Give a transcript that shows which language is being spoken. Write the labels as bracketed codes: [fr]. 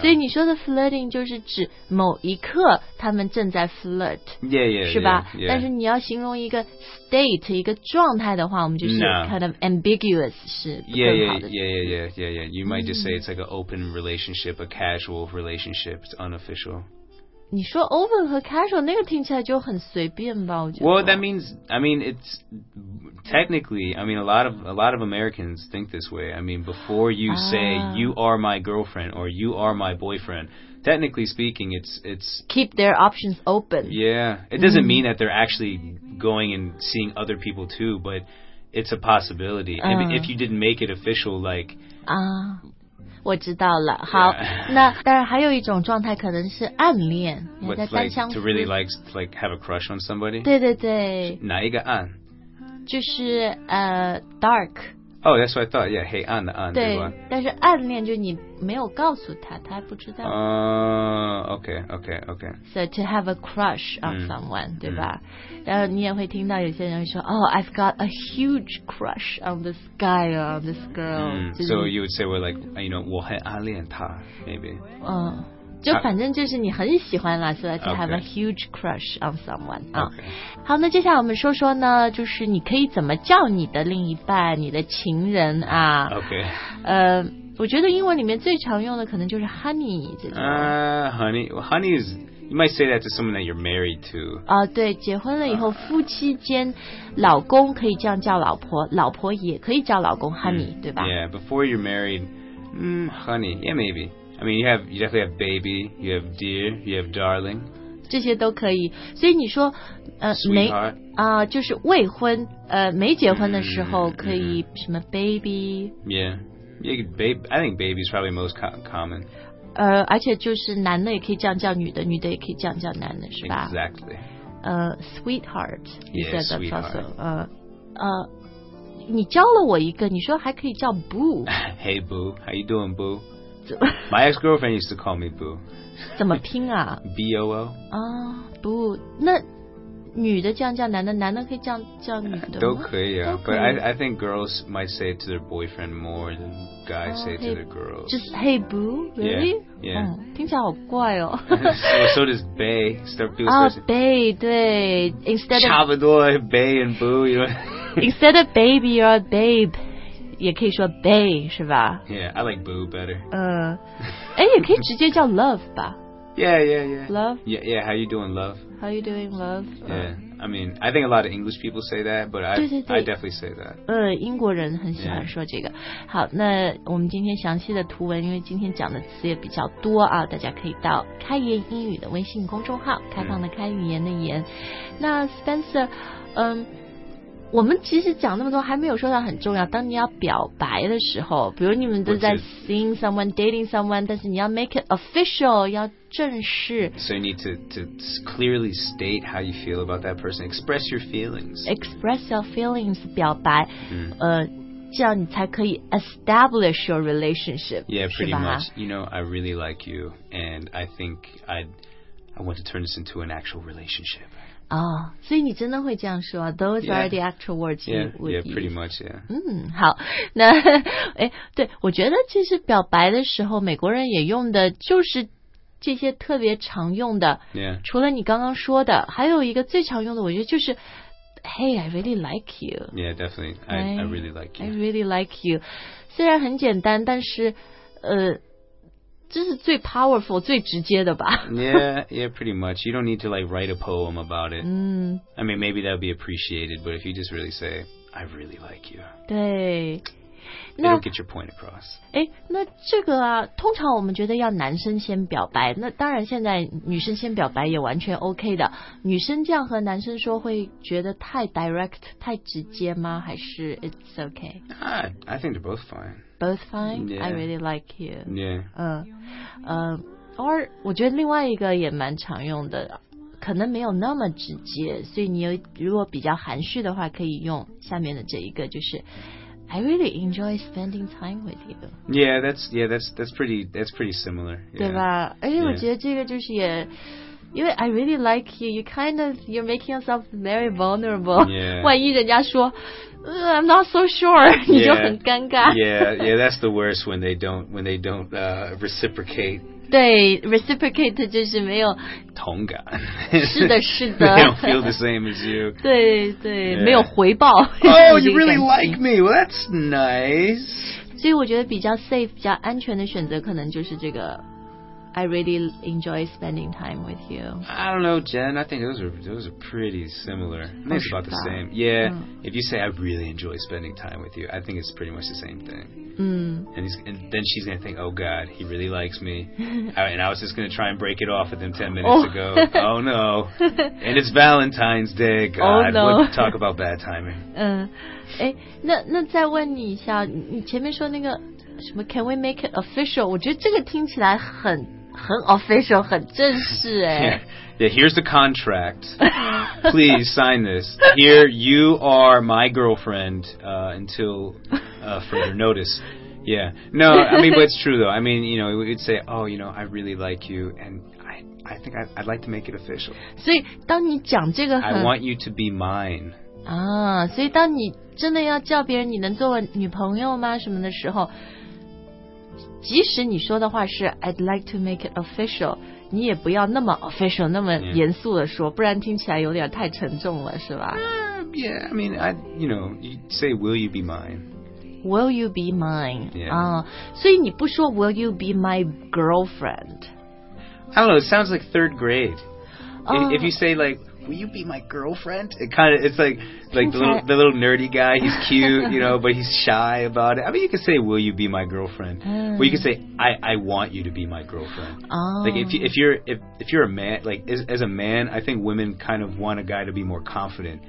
[zh] 所以你说的 flirting 就是指某一刻他们正在 flirt [en] yeah yeah [zh] 是吧 [en] yeah, yeah. [zh] 但是你要形容一个 state 一个状态的话我们就是、 [en] no. kind of ambiguous [zh] 是更好的 [en] yeah you might just say it's like an open relationship a casual relationship it's unofficial [zh] 你说 open 和 casual 那个听起来就很随便吧我觉得 [en] Well, that means, I mean, it's technically, I mean, a lot of Americans think this way. I mean, before you say, you are my girlfriend or you are my boyfriend, technically speaking, it's... Keep their options open. Yeah. It doesn't mean that they're actually going and seeing other people too, but it's a possibility. If you didn't make it official, like... [zh] Ah. 我知道了好、 [en] yeah. [zh] 那当然还有一种状态可能是暗恋 [en] What, like, to really like have a crush on somebody [zh] 对对对哪一个暗就是dark [en] Oh that's what I thought yeah [zh] 黑暗的暗对, 对吧但是暗恋就你没有告诉他他还不知道 [en] Okay So to have a crush on someone [zh] 对吧然后你也会听到有些人说 [en] Oh I've got a huge crush on this guy or on this girl、 mm. [zh] 就是、 [en] So you would say we're like You know [zh] 我很暗恋他 [en] Maybe [zh] 就反正就是你很喜欢啦 [en] So that you have a huge crush on someone、 okay. [zh] 好那接下来我们说说呢就是你可以怎么叫你的另一半你的情人啊 [en] Okay [zh] 我觉得英文里面最常用的可能就是 honey 这种 [en] honey is You might say that to someone that you're married to [zh] 啊、对结婚了以后夫妻间老公可以这样叫老婆老婆也可以叫老公 honey、 mm. 对吧 [en] Yeah before you're married honey yeah maybeI mean, you definitely have baby, you have dear, you have darling. [zh] 这些都可以。所以你说 [en] Sweetheart. [zh] 没、就是未婚没结婚的时候可以什么 baby. [en] Yeah. I think baby is probably most common. [zh] 而且就是男的也可以这样叫女的女的也可以这样叫男的是吧 [en] Exactly. Sweetheart. Yeah, sweetheart. [zh] Also, 你教了我一个你说还可以叫 boo. [en] Hey, boo. How you doing, boo? My ex-girlfriend used to call me boo. [zh] 怎么拼啊 [en] B-O-O [zh] 啊、boo 那女的这样叫男的男的可以这样叫女的都可以啊可以 [en] But I think girls might say it to their boyfriend more than guys say it to their girls Just hey boo? Really? Yeah. [zh] 听起来好怪哦 [en] So does bae Start people say bae 对 Instead of [zh] 差不多 [en] bae and boo you know? Instead of baby you're a babe [zh] 也可以说 bae 是吧 [en] Yeah, I like boo better [zh] 也可以直接叫 love 吧 [en] Yeah, yeah, yeah Love? Yeah, how you doing love? How you doing love? Yeah, I mean, I think a lot of English people say that, but I definitely say that. [zh] 英国人很喜欢说这个。好，那我们今天详细的图文，因为今天讲的词也比较多啊，大家可以到开言英语的微信公众号，开放的开，语言的言。那 Spencer， 我们其实讲那么多还没有说到很重要，当你要表白的时候，比如你们都在 [en] seeing someone, dating someone, [zh] 但是你要 [en] make it official, [zh] 要正式。 [en] So you need to clearly state how you feel about that person, express your feelings. Express your feelings, [zh] 表白、这样你才可以 [en] establish your relationship. Yeah, pretty much. You know, I really like you, and I think I want to turn this into an actual relationship. [zh] 所以你真的会这样说、啊、 [en] Those are the actual words you would use. Yeah, pretty much, yeah. [zh] 好，那对，我觉得其实表白的时候美国人也用的就是这些特别常用的、 [en] yeah. [zh] 除了你刚刚说的还有一个最常用的我觉得就是 [en] Hey, I really like you. Yeah, definitely. I really like you. I really like you. [zh] 虽然很简单但是这是最 powerful 最直接的吧 [en] yeah pretty much you don't need to like write a poem about it、I mean maybe that would be appreciated but if you just really say I really like you [zh] 对 [en] it'll get your point across [zh] 那这个啊通常我们觉得要男生先表白那当然现在女生先表白也完全 OK 的女生这样和男生说会觉得太 direct 太直接吗还是 [en] it's OK I think they're both fine Both fine. Yeah. I really like you. Yeah. [zh] Or 我觉得另外一个也蛮常用的，可能没有那么直接，所以你有如果比较含蓄的话，可以用下面的这一个，就是 [en] I really enjoy spending time with you. Yeah, that's pretty similar. Yeah. [zh] 对吧？而且我觉得这个就是也。 [en] 因为 I really like you, you kind of, you're making yourself very vulnerable. Yeah. [zh] 万一人家说、 [en] I'm not so sure, [zh] 你就很尴尬。 [en] Yeah, that's the worst when they don't reciprocate. [zh] 对 ,reciprocate 就是没有。同感。是的是的。 [en] They don't feel the same as you. [zh] 对对、yeah. 没有回报。 [en] Oh, you really like me, well, that's nice. [zh] 所以我觉得比较 safe, 比较安全的选择可能就是这个。 [en] I really enjoy spending time with you. I don't know, Jen. I think those are pretty similar. I think it's about the same. Yeah, if you say I really enjoy spending time with you, I think it's pretty much the same thing. And then she's going to think, oh God, he really likes me. and I was just going to try and break it off with him 10 minutes ago. Oh no. And it's Valentine's Day. God, oh, no. What, talk about bad timing. [zh] 那再问你一下，你前面说那个什么 [en] Can we make it official? [zh] 我觉得这个听起来很 official, 很正式哎。 [en] Yeah, here's the contract. Please sign this. Here, you are my girlfriend until further notice. Yeah. No, I mean, but it's true though. I mean, you know, we'd say, oh, you know, I really like you and I think I'd like to make it official. [zh] 所以当你讲这个 [en] 很 I want you to be mine. [zh] 所以当你真的要叫别人你能做我女朋友吗什么的时候即使你说的话是 [en] I'd like to make it official [zh] 你也不要那么 official 那么严肃的说、 [en] yeah. [zh] 不然听起来有点太沉重了是吧、 [en] yeah I mean I, you know you say will you be mine will you be mine、 yeah. [zh] 所以你不说 [en] will you be my girlfriend I don't know it sounds like third grade、if you say likewill you be my girlfriend it kind of it's like the little nerdy guy he's cute you know but he's shy about it I mean you can say will you be my girlfriend but you can say I want you to be my girlfriend like if you're a man like as a man I think women kind of want a guy to be more confident